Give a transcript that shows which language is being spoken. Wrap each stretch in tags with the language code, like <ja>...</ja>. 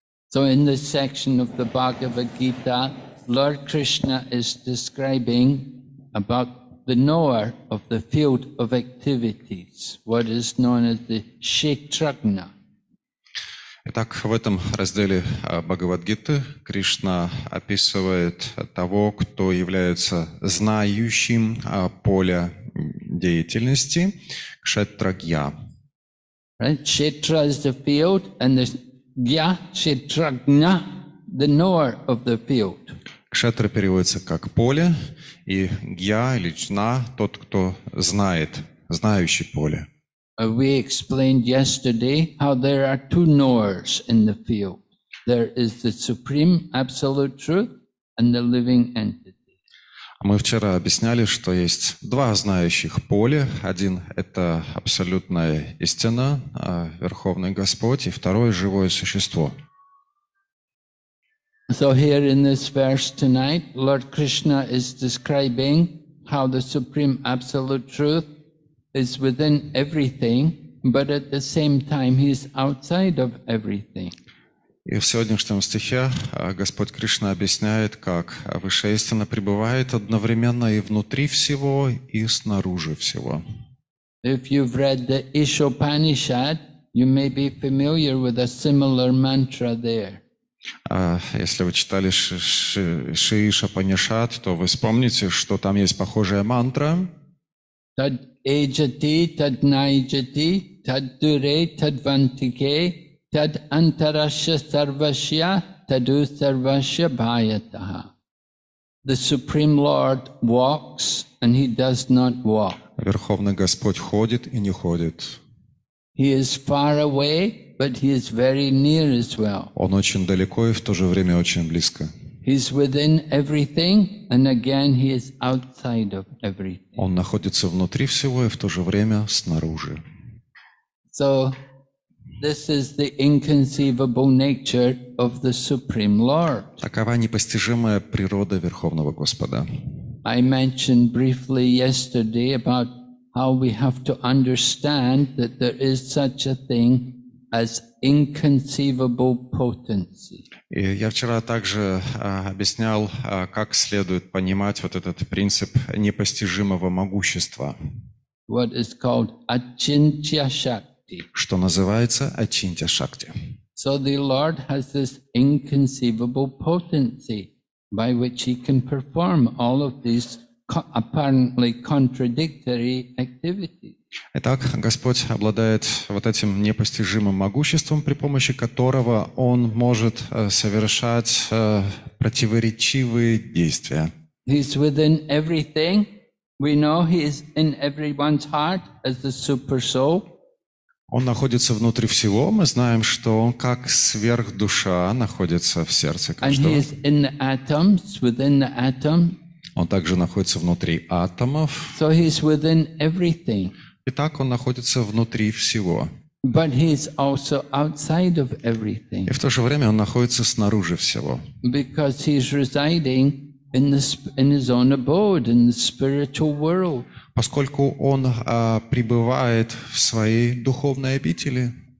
<en>So in this section of the Bhagavad Gita, Lord Krishna is describing about the knower of the field of activities, what is known as the Kshetragna.</en> <ru>Итак, в этом разделе Бхагавад-гиты Кришна описывает того, кто является знающим поле деятельности, кшетрагья.</ru> <en>Right? Кшетра is the field, and the гья, кшетрагна, the knower of the field.</en> <ru>Кшетра переводится как поле, и гья или чна, тот, кто знает, знающий поле.</ru> <en>We explained yesterday how there are two knowers in the field. There is the Supreme Absolute Truth and the Living Entity.</en> <ru>Мы вчера объясняли, что есть два знающих поля. Один — это абсолютная истина, Верховный Господь, и второе — живое существо.</ru> <en>So here in this verse tonight, Lord Krishna is describing how the Supreme Absolute Truth is within everything, but at the same time he is outside of everything.</en> <ru>И в сегодняшнем стихе Господь Кришна объясняет, как Высшая Истина пребывает одновременно и внутри всего, и снаружи всего.</ru> <en>If you've read the Ishopanishad, you may be familiar with a similar mantra there.</en> <ru>Если вы читали Ишопанишад, то вы вспомните, что там есть похожая мантра.</ru> <sa>Эйджати, тад найджати, тад дуре, тад вантике, тад антараша сарвашья, таду сарвашья байатаха.</sa> <en>The Supreme Lord walks and he does not walk.</en> <ru>Верховный Господь ходит и не ходит.</ru> <en>He is far away, but he is very near as well.</en> <ru>Он очень далеко и в то же время очень близко.</ru> <en>He's within everything, and again he is outside of everything.</en> <ru>Он находится внутри всего и в то же время снаружи.</ru> <en>So this is the inconceivable nature of the Supreme Lord.</en> <ru>Такова непостижимая природа Верховного Господа.</ru> <en>I mentioned briefly yesterday about how we have to understand that there is such a thing as inconceivable potency.</en> <ru>И я вчера также объяснял, как следует понимать вот этот принцип непостижимого могущества.</ru> <en>What is called achintya shakti.</en> <ru>Что называется achintya shakti.</ru> <en>So the Lord has this inconceivable potency by which he can perform all of these apparently contradictory activities.</en> <ru>Итак, Господь обладает вот этим непостижимым могуществом, при помощи которого Он может совершать противоречивые действия.</ru> <en>He's within everything. We know He is in everyone's heart as the super soul.</en> <ru>Он находится внутри всего. Мы знаем, что Он как сверхдуша находится в сердце каждого.</ru> <en>And He is in the atoms, within the atom.</en> <ru>Он также находится внутри атомов.</ru> <en>So He is within everything.</en> <ru>Итак, он находится внутри всего.</ru> <en>But he is also outside of everything.</en> <ru>И в то же время он находится снаружи всего.</ru> <en>Because he is residing in his own abode, in the spiritual world.</en> <ru>Поскольку он пребывает в своей духовной обители.</ru>